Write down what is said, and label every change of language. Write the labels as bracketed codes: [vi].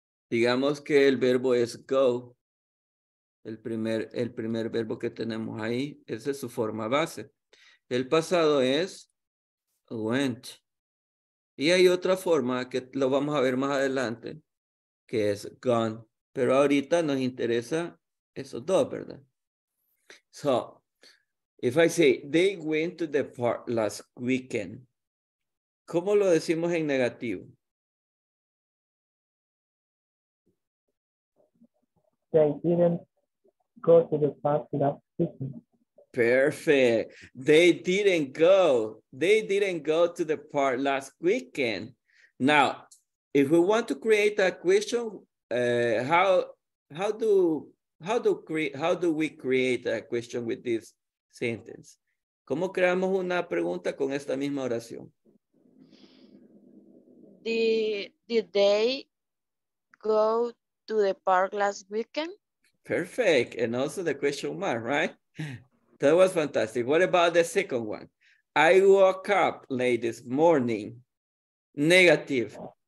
[es] Digamos que el verbo es go. El primer verbo que tenemos ahí, esa es su forma base. El pasado es went. Y hay otra forma que lo vamos a ver más adelante, que es gone. Pero ahorita nos interesa esos dos, ¿verdad? [en] So, if I say, they went to the park last weekend. [es] ¿Cómo lo decimos en negativo? [en] They didn't go to the park last weekend. Perfect. They didn't go to the park last weekend. Now, if we want to create a question, how do we create a question with this sentence? [es] ¿Cómo creamos una pregunta con esta misma oración? [en] Did they go to the park last weekend? Perfect. And also the question mark, right? That was fantastic. What about the second one? I woke up late this morning. Negative.